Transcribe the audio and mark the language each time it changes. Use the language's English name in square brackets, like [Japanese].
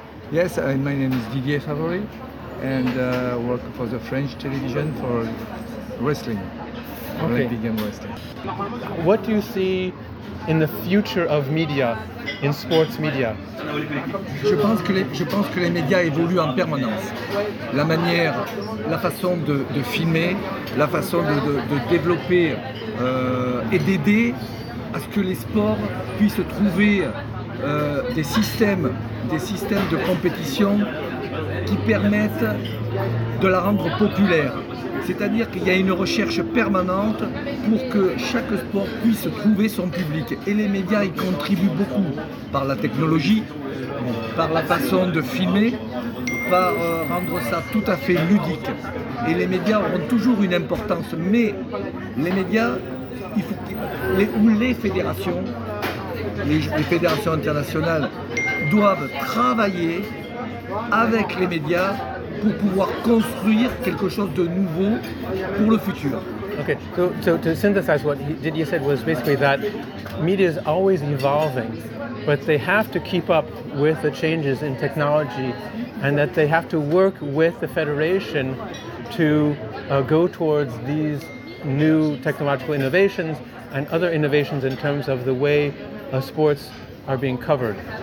[English] Yes, my name is Didier Favori, and I work for the French television for wrestling, Olympic and wrestling. What do you see in the future of media, in sports media? [French] Je pense que les médias évoluent en permanence. La manière, la façon de filmer, la façon de développer et d'aider à ce que les sports puissent trouver des systèmes de compétition qui permettent de la rendre populaire. C'est-à-dire qu'il y a une recherche permanente pour que chaque sport puisse trouver son public. Et les médias y contribuent beaucoup par la technologie, par la façon de filmer, par rendre ça tout à fait ludique. Et les médias auront toujours une importance, mais les médias, il faut les fédérations internationales doivent travailler avec les médias pour pouvoir construire quelque chose de nouveau pour le futur. [English] Okay, so to synthesize what Didier said was basically that media is always evolving, but they have to keep up with the changes in technology, and that they have to work with the federation to go towards these new technological innovations and other innovations in terms of the way sports are being covered.